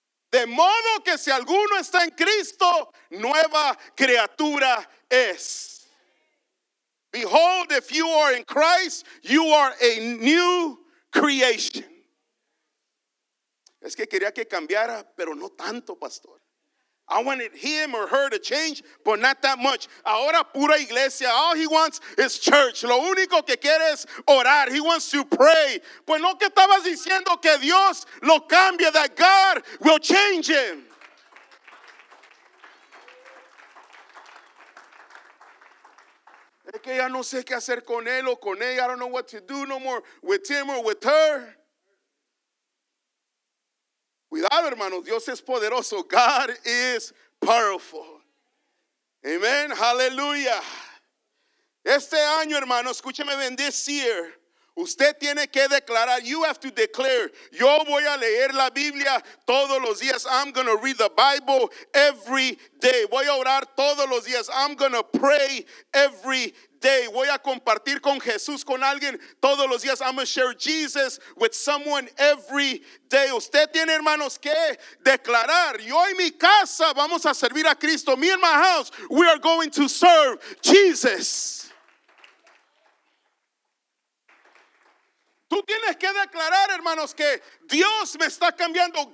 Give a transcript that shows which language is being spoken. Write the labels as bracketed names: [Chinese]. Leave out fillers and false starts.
[Spanish] De modo que si alguno está en Cristo, nueva criatura es. [English] Behold, if you are in Christ, you are a new creation. [Spanish] Es que quería que cambiara, pero no tanto, pastor. [English] I wanted him or her to change, but not that much. [Spanish] Ahora pura iglesia. [English] All he wants is church. [Spanish] Lo único que quiere es orar. [English] He wants to pray. [Spanish] Pues no que estabas diciendo que Dios lo cambia, [English] that God will change him. [Spanish] Es que ya no sé qué hacer con él o con ella. [English] I don't know what to do no more with him or with her. [Spanish] Cuidado, hermanos, Dios es poderoso. [English] God is powerful. [Spanish] Amen. Hallelujah. Este año, hermano, escúcheme bien. [English] This year, [Spanish] usted tiene que declarar. [English] You have to declare. [Spanish] Yo voy a leer la Biblia todos los días. [English] I'm going to read the Bible every day. [Spanish] Voy a orar todos los días. [English] I'm going to pray every day. [Spanish] Voy a compartir con Jesús con alguien todos los días. [English] I'm going to share Jesus with someone every day. [Spanish] Usted tiene, hermanos, que declarar. Yo y mi casa vamos a servir a Cristo. [English] Me and my house, we are going to serve Jesus. [Spanish] Tú tienes que declarar, hermanos, que Dios me está cambiando.